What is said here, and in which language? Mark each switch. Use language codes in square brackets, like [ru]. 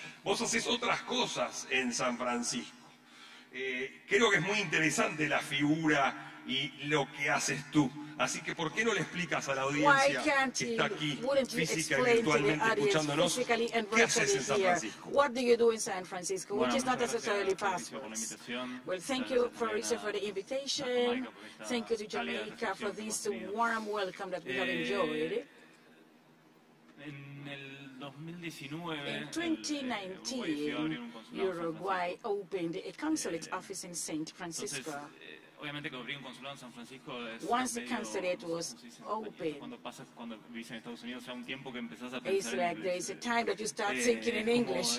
[es] Vos haces otras cosas en San Francisco. Creo que es muy interesante la figura y lo que haces tú. Así que, ¿por qué no le explicas a la audiencia que está aquí física y virtualmente escuchándonos qué haces en San Francisco? [en] What do you do in San Francisco, which is not necessarily passports? Well, thank you, Florisa, for the invitation. Thank you to Jamaica for this warm welcome that we have enjoyed. [es] En el 2019, [en] in 2019, Uruguay opened a consulate office in St. Francisco. [es] Obviamente que abrí un consulado en San Francisco. [en] Once the consulate was open. [es] Cuando vivís en Estados Unidos, o sea, un tiempo que empezás a pensar. [en] It's like there is a time that you start thinking in English.